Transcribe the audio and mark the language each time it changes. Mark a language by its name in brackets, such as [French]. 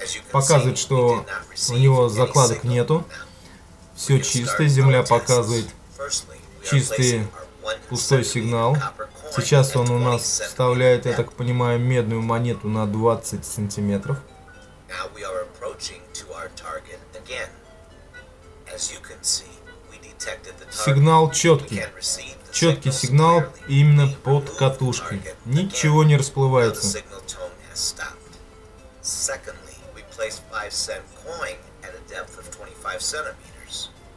[Russian] Показывает, что у него закладок нету. Все чисто, земля показывает чистый пустой сигнал. Сейчас он у нас вставляет, я так понимаю, медную монету на 20 сантиметров. [English] Now we are approaching to our target again. As you can see, we detected the target. [Russian] Сигнал четкий. Четкий сигнал именно под катушкой. Ничего не расплывается. [English] Secondly, we placed 5-cent coin at a depth of 25 centimeters.